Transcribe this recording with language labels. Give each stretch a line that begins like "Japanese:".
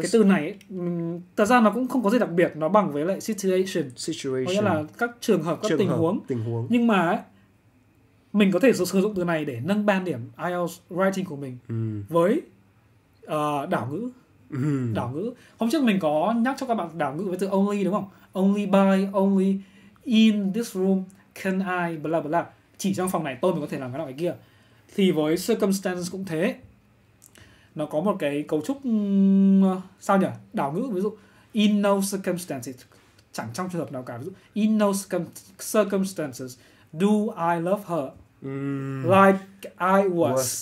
Vietnamese: Cái từ này thật ra nó cũng không có gì đặc biệt, nó bằng với lại situation. Situation. Có nghĩa là các trường hợp, các tình huống. Tình huống. Nhưng mà mình có thể sử dụng từ này để nâng ban điểm IELTS writing của mình với đảo ngữ. Đảo ngữ. Hôm trước mình có nhắc cho các bạn đảo ngữ với từ only đúng không?
English: Only by, only in this room can I blah blah.
Vietnamese: Chỉ trong phòng này tôi mới có thể làm cái nào cái kia. Thì với circumstance cũng thế. Nó có một cái cấu trúc sao nhỉ? Đảo ngữ, ví dụ
English: in no circumstances,
Vietnamese: chẳng trong trường hợp nào cả, ví dụ
English: in no circumstances do I love her like I was